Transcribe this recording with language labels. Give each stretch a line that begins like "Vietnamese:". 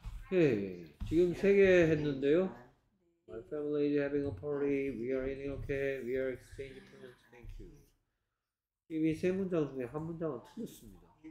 Korean: Hey, 지금 세 개 했는데요.
English: My family is having a party. We are eating okay. We are exchanging presents. Thank you.
Korean: 이미 세 문장 중에 한 문장은 틀렸습니다.